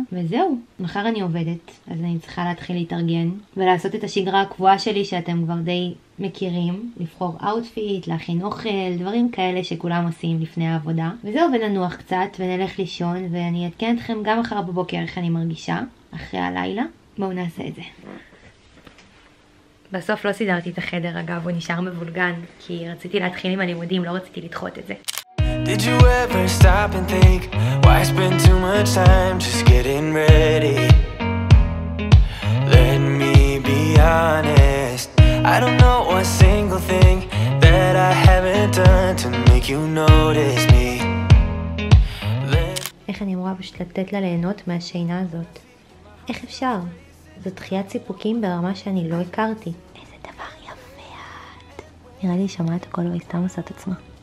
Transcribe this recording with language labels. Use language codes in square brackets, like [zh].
[he] וזהו, מחר אני עובדת, אז אני צריכה להתחיל להתארגן ולעשות את השגרה הקבועה שלי שאתם כבר די מכירים, לבחור אאוטפיט, להכין אוכל, דברים כאלה שכולם עושים לפני העבודה. וזהו, וננוח קצת ונלך לישון, ואני אתקן אתכם גם אחר בבוקר איך אני מרגישה אחרי הלילה. בואו נעשה את זה. בסוף לא סידרתי את החדר, אגב הוא נשאר מבולגן, כי רציתי להתחיל עם הלימודים, לא רציתי לדחות את זה. [en] Did you ever stop and think why I spend too much time just getting ready? Let me be honest, I don't know a single thing that I haven't done to make you notice me. [he] איך אני אמורה פשוט לתת לה ליהנות מהשינה הזאת? איך אפשר? זו דחיית סיפוקים ברמה שאני לא הכרתי. איזה דבר יפה את. נראה לי שמעה את הכל והסתם עושה את עצמה.